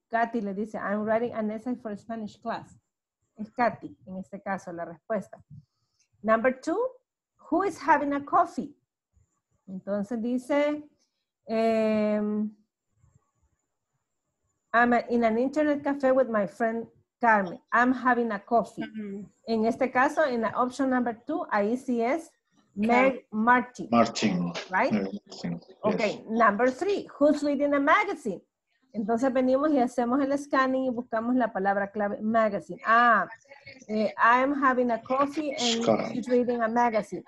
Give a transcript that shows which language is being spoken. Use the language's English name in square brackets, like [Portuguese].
[Spanish] Kathy le dice, [English] I'm writing an essay for Spanish class. [Spanish] Es Kathy, en este caso, la respuesta. [English] Number two, who is having a coffee? [Spanish] Entonces dice, [English] I'm in an internet cafe with my friend Carmen. I'm having a coffee. Mm-hmm. [Spanish] En este caso, en la option number two, ahí sí es Meg Martin. Martin. [English] Right? Yes. Okay, number three, who's reading a magazine? [Spanish] Entonces venimos y hacemos el scanning y buscamos la palabra clave magazine. [English] Ah, I'm having a coffee and she's reading a magazine.